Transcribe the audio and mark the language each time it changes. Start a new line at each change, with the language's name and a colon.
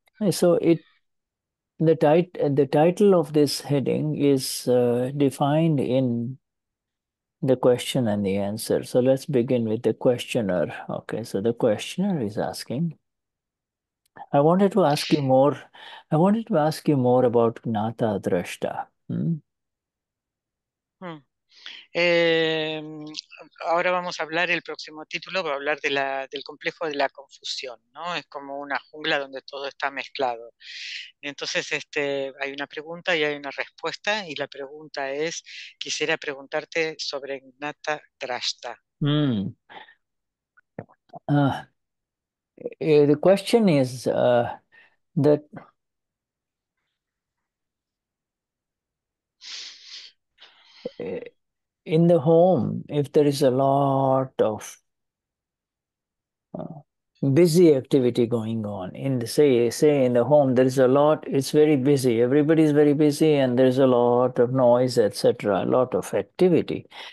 English: So it the title of this heading is defined in the question and the answer. So let's begin with the questioner. Okay. So the questioner is asking. I wanted to ask you more about Gnata-Drashta.
Spanish: Ahora vamos a hablar, el próximo título va a hablar de del complejo de la confusión, ¿no? Es como una jungla donde todo está mezclado. Entonces, hay una pregunta y hay una respuesta, y la pregunta es, quisiera preguntarte sobre Gnata Drashta.
English: The question is that in the home, if there is a lot of busy activity going on in the say in the home, there is a lot, it's very busy, everybody's very busy, and there's a lot of noise, etc., a lot of activity.